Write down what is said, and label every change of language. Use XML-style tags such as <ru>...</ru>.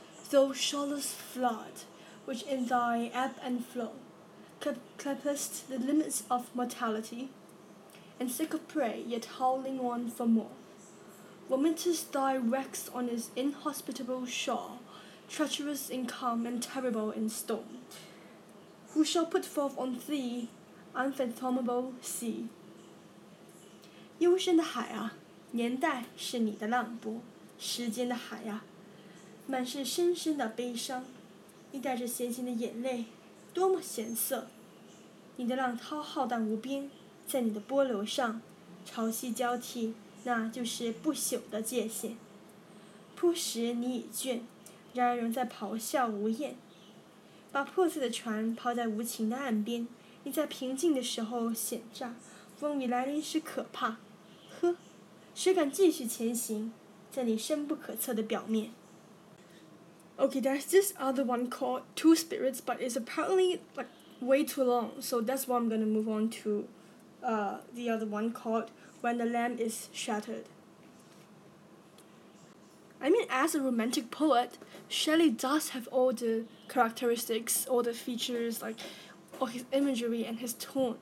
<en>Thou shoreless flood, which in thy ebb and flow clappest the limits of mortality, and sick of prey, yet howling on for more, vomitest thy wrecks on its inhospitable shore, treacherous in calm and terrible in storm. Who shall put forth on thee, unfathomable sea?</en> <zh>幽深的海啊, 年代是你的浪波, 时间的海啊, 满是深深的悲伤, 你带着咸咸的眼泪, 多么咸涩, 你的浪涛浩荡无边, 在你的波流上, 潮汐交替, 那就是不朽的界限, 扑食你已倦, 然而仍在咆哮无厌, 把破碎的船抛在无情的岸边, 你在平静的时候险诈, 风雨来临时可怕, 呵, 谁敢继续前行, 在你深不可测的表面。</zh> <en>Okay, there's this other one called Two Spirits, but it's apparently like way too long, so that's why I'm gonna move on to the other one called When the Lamb is Shattered. I mean, as a romantic poet, Shelley does have all the characteristics, all the features, like all his imagery and his tone.</en>